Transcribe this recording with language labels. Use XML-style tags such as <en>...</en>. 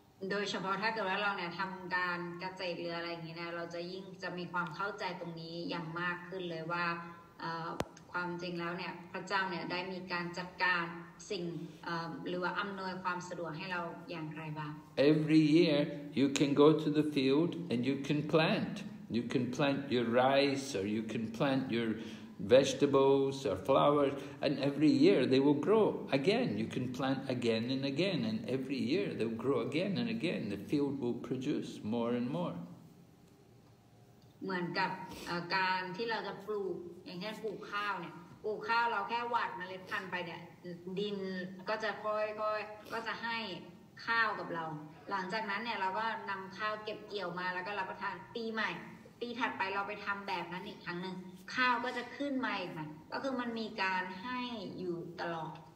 <th>โดยเฉพาะถ้าเกิดว่าเราเนี่ยทำการเกษตรหรืออะไรอย่างเงี้ยเราจะยิ่งจะมีความเข้าใจตรงนี้อย่างมากขึ้นเลยว่าความจริงแล้วเนี่ยพระเจ้าเนี่ยได้มีการจัดการสิ่งหรือว่าอำนวยความสะดวกให้เราอย่างไรบ้าง</th> <en>Every year you can go to the field and you can plant. You can plant your rice or you can plant your vegetables or flowers. And every year they will grow again. You can plant again and again. And every year they will grow again and again. The field will produce more and more.</en> <th>เหมือนกับการที่เราจะปลูกอย่างเช่นปลูกข้าวเนี่ยปลูกข้าวเราแค่หว่านเมล็ดพันธุ์ไปเนี่ยดินก็จะค่อยๆก็จะให้ข้าวกับเราหลังจากนั้นเนี่ยเราก็นำข้าวเก็บเกี่ยวมาแล้วก็รับประทานปีใหม่ปีถัดไปเราไปทำแบบนั้นอีกครั้งหนึ่งข้าวก็จะขึ้นมาอีกไหมก็คือมันมีการให้อยู่ตลอด</th>